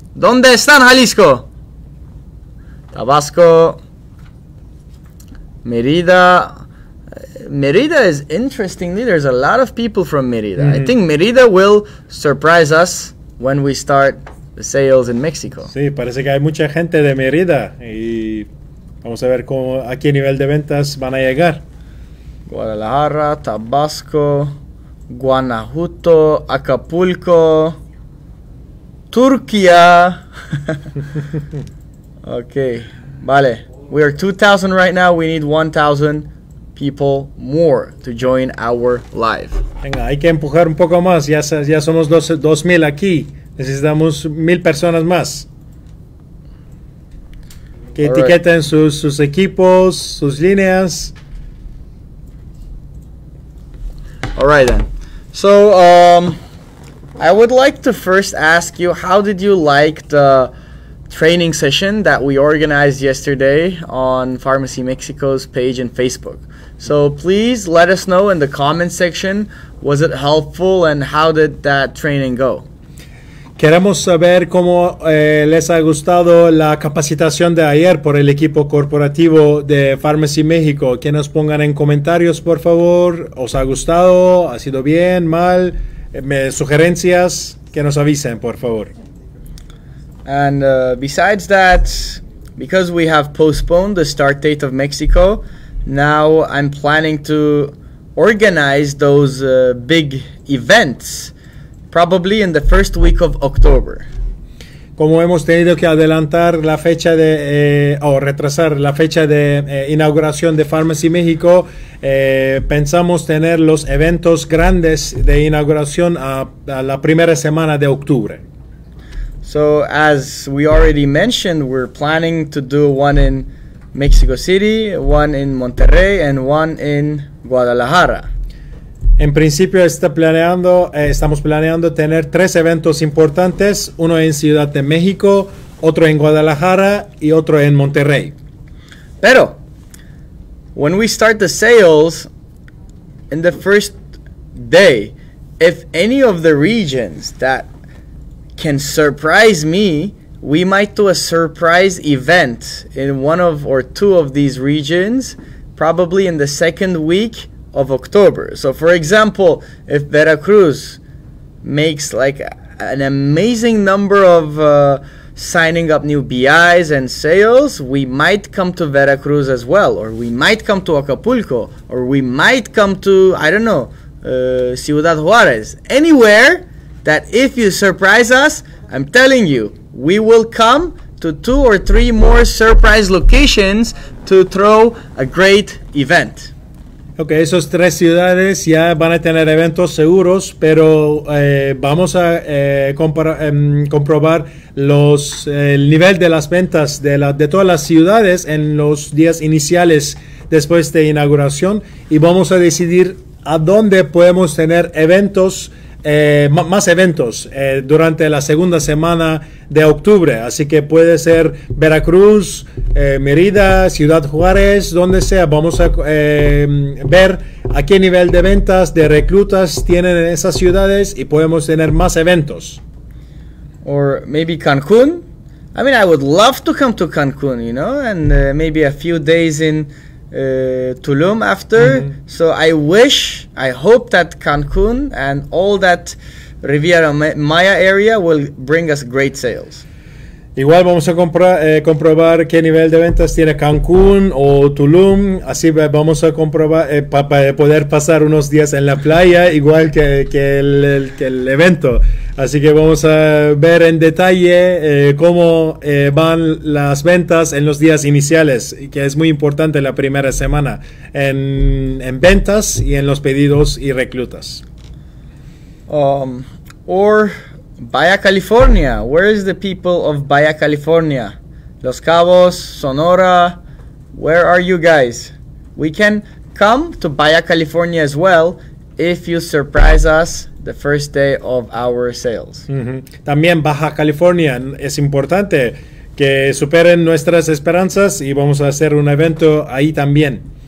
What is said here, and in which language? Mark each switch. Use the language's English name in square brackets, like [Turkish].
[Spanish] ¿Dónde están Jalisco? Tabasco. Mérida. [English] Mérida is interestingly, there's a lot of people from Mérida. Mm-hmm. I think Mérida will surprise us when we start the sales in Mexico. [Spanish] Sí, parece que hay mucha gente de Mérida y vamos a ver cómo, a qué nivel de ventas van a llegar. Guadalajara, Tabasco, Guanajuato, Acapulco, Turquía. [English] Okay, [Spanish] vale. [English] We are 2,000 right now. We need 1,000 people more to join our live. [Spanish] Venga, hay que empujar un poco más. Ya somos 2,000 aquí. Necesitamos 1,000 personas más. Que etiqueten sus equipos, sus líneas. [English] All right then. So, I would like to first ask you, how did you like the training session that we organized yesterday on Farmasi Mexico's page and Facebook? So please let us know in the comment section, was it helpful and how did that training go? [Spanish] Queremos saber cómo les ha gustado la capacitación de ayer por el equipo corporativo de Farmasi México. Que nos pongan en comentarios, por favor. ¿Os ha gustado? ¿Ha sido bien? ¿Mal? Sugerencias, que nos avisen, por favor. [English] And besides that, because we have postponed the start date of Mexico, now I'm planning to organize those big events probably in the first week of October. [Spanish] Como hemos tenido que adelantar la fecha de retrasar la fecha de inauguración de Farmasi México, pensamos tener los eventos grandes de inauguración a la primera semana de octubre. [English] So as we already mentioned, we're planning to do one in Mexico City, one in Monterrey, and one in Guadalajara. [Spanish] En principio estamos planeando tener tres eventos importantes, uno en Ciudad de México, otro en Guadalajara y otro en Monterrey. Pero, [English] when we start the sales, in the first day, if any of the regions that can surprise me, we might do a surprise event in one of or two of these regions, probably in the second week of October. So for example, if Veracruz makes like an amazing number of signing up new BIs and sales, we might come to Veracruz as well, or we might come to Acapulco, or we might come to, I don't know, Ciudad Juarez. Anywhere that if you surprise us, I'm telling you, we will come to two or three more surprise locations to throw a great event. [Spanish] Okay, esos tres ciudades ya van a tener eventos seguros, pero vamos a comprobar el nivel de las ventas de todas las ciudades en los días iniciales después de inauguración y vamos a decidir a dónde podemos tener eventos. Más eventos durante la segunda semana de octubre, así que puede ser Veracruz, Mérida, Ciudad Juárez, donde sea. Vamos a ver a qué nivel de ventas, de reclutas tienen en esas ciudades y podemos tener más eventos. [English] Or maybe Cancún. I mean, I would love to come to Cancún, you know, and maybe a few days in Tulum after. Mm-hmm. So I hope that Cancun and all that Riviera Maya area will bring us great sales. [Spanish] Igual vamos a comprobar qué nivel de ventas tiene Cancun o Tulum, así vamos a comprobar poder pasar unos días en la playa igual que el evento, así que vamos a ver en detalle cómo van las ventas en los días iniciales, que es muy importante la primera semana en ventas y en los pedidos y reclutas. [English] Baja California. Where is the people of Baja California? Los Cabos, Sonora. Where are you guys? We can come to Baja California as well if you surprise us the first day of our sales. [Spanish] Mm-hmm. También Baja California. Es importante que superen nuestras esperanzas y vamos a hacer un evento ahí también.